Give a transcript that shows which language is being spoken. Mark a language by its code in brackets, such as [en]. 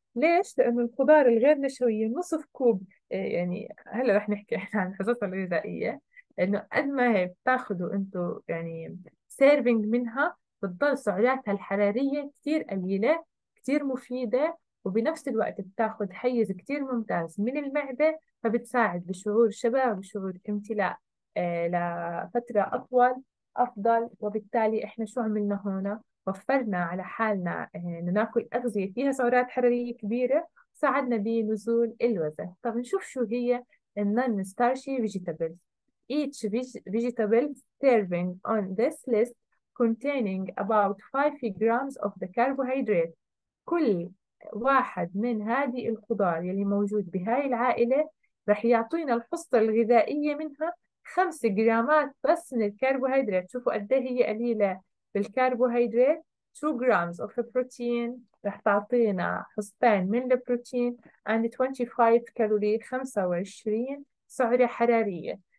[ar] ليش؟ لأن الخضار الغير نشوية نصف كوب، يعني هلا رح نحكي إحنا عن الحصص الغذائية، إنه قد ما هي بتاخدوا أنتوا يعني سيرفينج منها بتضل سعراتها الحرارية كتير قليلة، كتير مفيدة، وبنفس الوقت بتاخد حيز كتير ممتاز من المعدة، فبتساعد بشعور شبع وشعور امتلاء لفترة أطول أفضل. وبالتالي إحنا شو عملنا هون؟ وفرنا على حالنا ناكل أغذية فيها سعرات حرارية كبيرة، ساعدنا بنزول الوزن. طب نشوف شو هي النون ستارشي فيجيتابلز. [en] Each vegetable serving on this list containing about 5 grams of the carbohydrate. [ar] كل واحد من هذه الخضار يلي موجود بهاي العائلة رح يعطينا الحصة الغذائية منها 5 جرامات بس من الكربوهيدرات. شوفوا قد هي قليلة بالكربوهيدرات، [en] 2 grams of the protein [ar] رح تعطينا حصتين من البروتين and 25 كالوري، 25 سعرة حرارية.